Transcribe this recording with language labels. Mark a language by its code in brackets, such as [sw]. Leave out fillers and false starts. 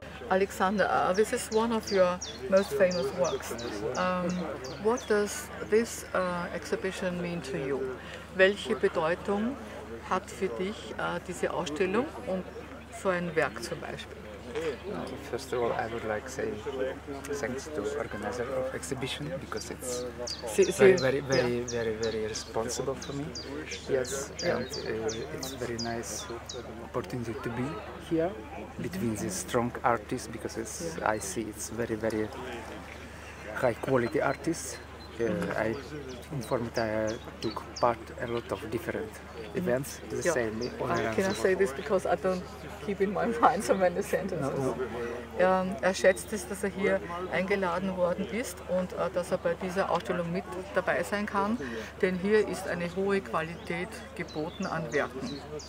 [en] Alexander, this is one of your most famous works. What does this exhibition mean to you? [de] Welche Bedeutung hat für dich diese Ausstellung und so ein Werk zum Beispiel? [en] First of all, I would like to say thanks to the organizer of exhibition because it's very, very responsible for me. Yes, and it's very nice opportunity to be here between these strong artists because it's, I see it's very, very high quality artists. I informed that I took part a lot of different events. The same. I cannot say this because I don't keep in my mind so many sentences. No. [de] Er schätzt es, dass er hier eingeladen worden ist und dass er bei dieser Ausstellung mit dabei sein kann, denn hier ist eine hohe Qualität geboten an Werken.